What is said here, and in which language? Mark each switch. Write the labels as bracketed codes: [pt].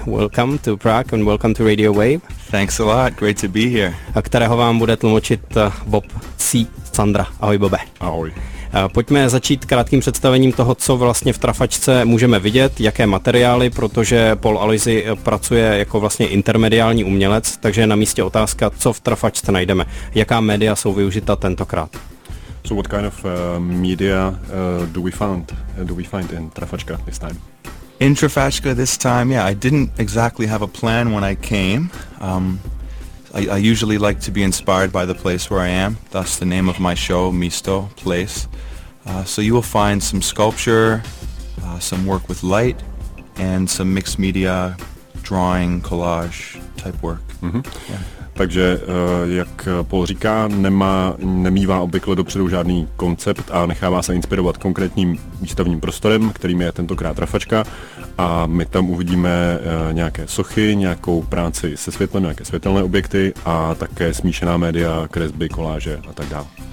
[en] Welcome to Prague and welcome to Radio Wave. Thanks a lot, great to be here. [cs] A kterého vám bude tlumočit Bob C. Sandra. Ahoj, Bobe. Ahoj. Pojďme začít krátkým představením toho, co vlastně v Trafačce můžeme vidět, jaké materiály, protože Paul Aloisi pracuje jako vlastně intermediální umělec, takže je na místě otázka, co v Trafačce najdeme, jaká média jsou využita tentokrát. [en] So what kind of media do we find in Trafačka this time? In Trafačka this time, yeah, I didn't exactly have a plan when I came. I usually like to be inspired by the place where I am, thus the name of my show, Místo, Place. So you will find some sculpture, some work with light, and some mixed media drawing, collage type work. Mm-hmm. Yeah. [cs] Takže, jak Paul říká, nemývá obvykle dopředu žádný koncept a nechává se inspirovat konkrétním výstavním prostorem, kterým je tentokrát Trafačka, a my tam uvidíme nějaké sochy, nějakou práci se světlem, nějaké světelné objekty a také smíšená média, kresby, koláže a tak dále.